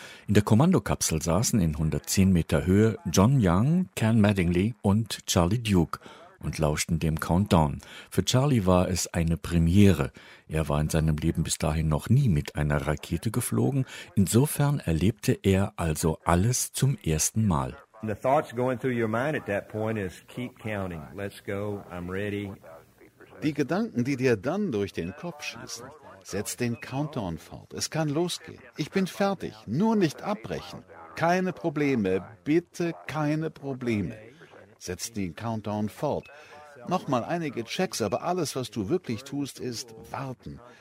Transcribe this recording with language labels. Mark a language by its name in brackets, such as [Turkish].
[German] In der Kommandokapsel saßen in 110 Meter Höhe John Young, Ken Mattingly und Charlie Duke und lauschten dem Countdown. Für Charlie war es eine Premiere. Er war in seinem Leben bis dahin noch nie mit einer Rakete geflogen. Insofern erlebte er also alles zum ersten Mal. [English] The thoughts going through your mind at that point is keep counting. Let's go. I'm ready. [German] Die Gedanken, die dir dann durch den Kopf schießen. Setz den Countdown fort. Es kann losgehen. Ich bin fertig. Nur nicht abbrechen. Keine Probleme. Bitte keine Probleme. Setz den Countdown fort. Nochmal einige Checks, aber alles, was du wirklich tust, ist warten.